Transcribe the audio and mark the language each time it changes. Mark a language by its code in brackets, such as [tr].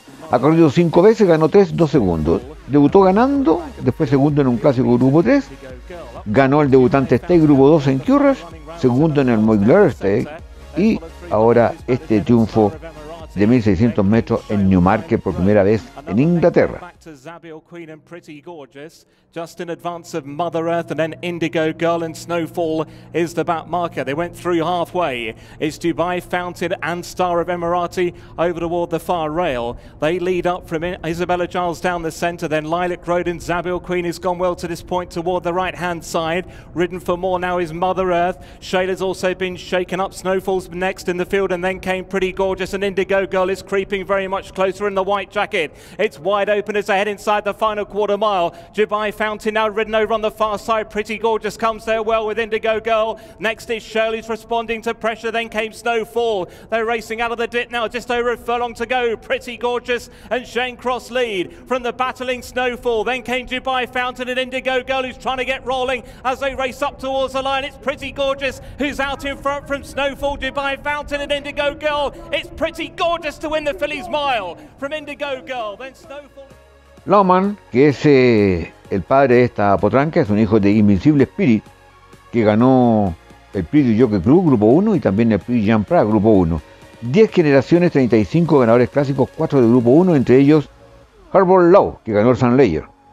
[es] Ha corrido 5 veces, ganó 3, 2 segundos. Debutó ganando, después segundo en un clásico Grupo 3. Ganó el debutante Stake Grupo 2 en Curras, segundo en el Mugler Stake. Y ahora este triunfo de 1.600 metros en Newmarket por primera vez en Inglaterra. [en] Zabiel Queen and Pretty Gorgeous, just in advance of Mother Earth, and then Indigo Girl and Snowfall is the back marker. They went through halfway. It's Dubai Fountain and Star of Emirati over toward the far rail. They lead up from Isabella Giles down the centre, then Lilac Road and Zabiel Queen has gone well to this point toward the right hand side. Ridden for more now is Mother Earth. Shayla's also been shaken up. Snowfall's next in the field, and then came Pretty Gorgeous, and Indigo Girl is creeping very much closer in the white jacket. It's wide open as ahead inside the final quarter mile. Dubai Fountain now ridden over on the far side. Pretty Gorgeous comes there well with Indigo Girl. Next is Shirley's responding to pressure. Then came Snowfall. They're racing out of the dip now. Just over a furlong to go. Pretty Gorgeous and Shane Cross lead from the battling Snowfall. Then came Dubai Fountain and Indigo Girl, who's trying to get rolling as they race up towards the line. It's Pretty Gorgeous who's out in front from Snowfall, Dubai Fountain and Indigo Girl. It's Pretty Gorgeous to win the Filly's Mile from Indigo Girl. Then Snowfall. [es] Lawman, que es el padre de esta potranca, es un hijo de Invincible Spirit, que ganó el Prix du Jockey Club, Grupo 1, y también el Prix Jean Prat, Grupo 1. 10 generaciones, 35 ganadores clásicos, 4 de Grupo 1, entre ellos Herbert Law, que ganó el Sunlayer.